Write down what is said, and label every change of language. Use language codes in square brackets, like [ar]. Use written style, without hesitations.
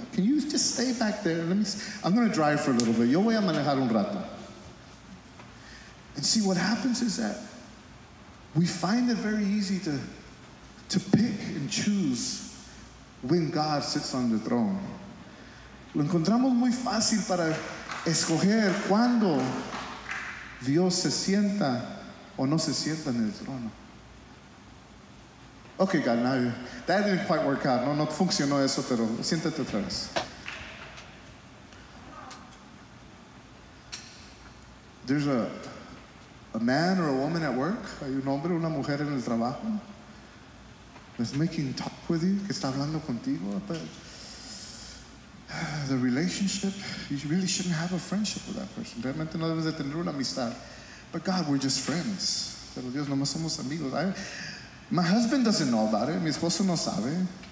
[en] Can you just stay back there? Let me. I'm going to drive for a little bit. [es] Yo voy a manejar un rato. [en] And see, what happens is that we find it very easy to pick and choose when God sits on the throne. [es] Lo encontramos muy fácil para escoger cuando Dios se sienta o no se sienta en el trono. [en] Okay, God, now that didn't quite work out. [es] No, no funcionó eso, pero siéntate otra vez. [en] There's a man or a woman at work. [es] Hay un hombre o una mujer en el trabajo. [en] That's making talk with you, [es] que está hablando contigo. [en] But the relationship, you really shouldn't have a friendship with that person. [es] Realmente no debes de tener una amistad. [en] But God, we're just friends. [es] Pero Dios, nomás somos amigos. [en] My husband doesn't know about it. [es] Mi esposo no sabe.